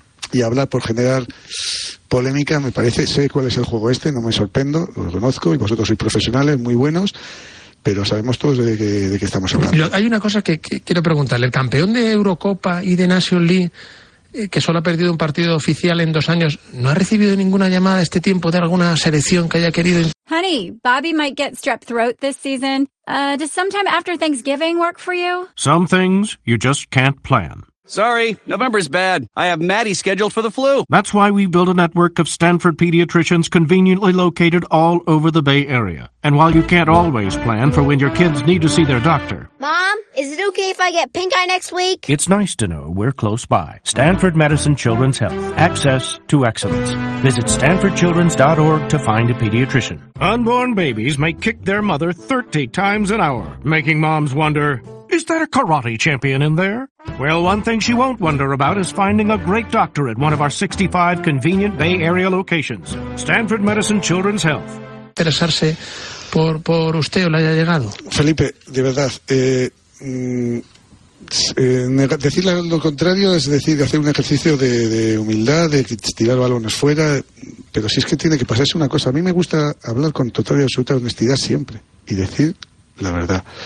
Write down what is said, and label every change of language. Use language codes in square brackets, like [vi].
[es] Y hablar por generar polémica, me parece, sé cuál es el juego este, no me sorprendo, lo conozco, y vosotros sois profesionales, muy buenos, pero sabemos todos de qué estamos hablando. Pero hay una cosa que quiero preguntarle, el campeón de Eurocopa y de Nations League, que solo ha perdido un partido oficial en 2 años, ¿no ha recibido ninguna llamada este tiempo de alguna selección que haya querido? [en] Honey, Bobby might get strep throat this season. Does sometime after Thanksgiving work for you? Some things you just can't plan. Sorry, November's bad. I have Maddie scheduled for the flu. That's why we've built a network of Stanford pediatricians conveniently located all over the Bay Area. And while you can't always plan for when your kids need to see their doctor... Mom, is it okay if I get pink eye next week? It's nice to know we're close by. Stanford Medicine Children's Health. Access to excellence. Visit stanfordchildrens.org to find a pediatrician. Unborn babies may kick their mother 30 times an hour, making moms wonder, is that a karate champion in there? Well, one thing she won't wonder about is finding a great doctor at one of our 65 convenient Bay Area locations. Stanford Medicine Children's Health. [es] ¿Interesarse por usted o le haya llegado? Felipe, de verdad, decir lo contrario es decir, hacer un ejercicio de humildad, de tirar balones fuera, pero si es que tiene que pasarse una cosa. A mí me gusta hablar con total y absoluta honestidad siempre y decir la verdad.